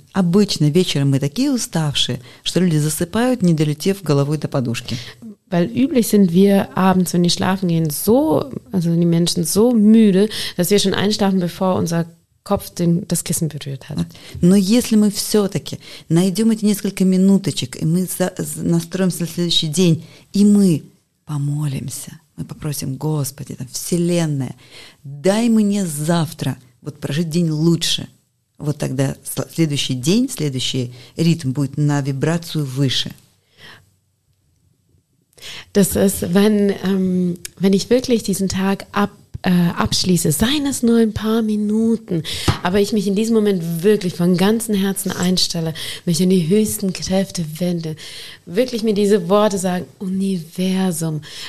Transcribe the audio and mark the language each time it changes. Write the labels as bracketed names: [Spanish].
[Russian] Обычно вечером мы такие уставшие, что люди засыпают, не долетев головой до подушки. [German] Weil üblich sind wir abends, wenn wir schlafen gehen, so, also die Menschen so müde, dass wir schon einschlafen, bevor unser Kopf das Kissen berührt hat. [Russian] Но если мы все-таки найдем эти несколько минуточек, и мы настроимся на следующий день, и мы помолимся, мы попросим Господи, там, Вселенная, дай мне завтра вот прожить день лучше, вот тогда следующий день, следующий ритм будет на вибрацию выше. [German] Das ist, wenn ich wirklich diesen Tag abschließe, seien es nur ein paar Minuten, aber ich mich in diesem Moment wirklich von ganzem Herzen einstelle, mich in die höchsten Kräfte wende, wirklich mir diese Worte sagen, Universum,